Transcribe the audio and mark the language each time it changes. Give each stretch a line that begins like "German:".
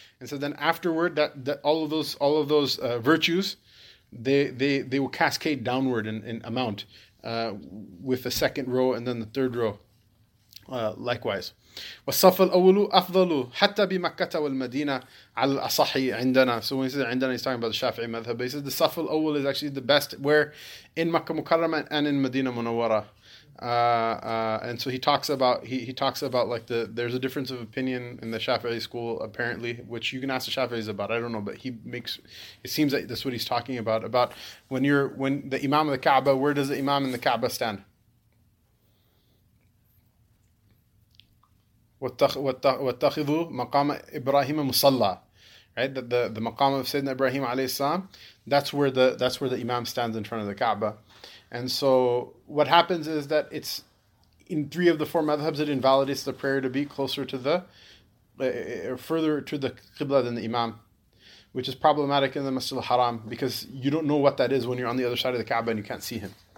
English: And so then afterward, that all of those virtues, they will cascade downward in amount, with the second row and then the third row, likewise.
Arabic: وصف الأول أفضل حتى بمكة والمدينة على الأصح عندنا.
English: So when he says عندنا, he's talking about the Shafi'i madhab. He says the صف الأول is actually the best, where in مكة مكرمة and in مدينة منورة. And so he talks about like the there's a difference of opinion in the Shafi'i school apparently, which you can ask the Shafi'is about. I don't know, but it seems like that's what he's talking about when the Imam of the Kaaba, where does the Imam in the Kaaba stand?
Arabic: وَاتَّخِذُوا مَقَامَ إِبْرَاهِيمَ مُصَلَّى, right?
English: The maqam of Sayyidina Ibrahim alayhi salam, that's where the imam stands in front of the Kaaba. And so what happens is that it's in three of the four madhabs, it invalidates the prayer to be closer to the further to the Qibla than the imam, which is problematic in the Masjid al-Haram, because you don't know what that is when you're on the other side of the Kaaba and you can't see him.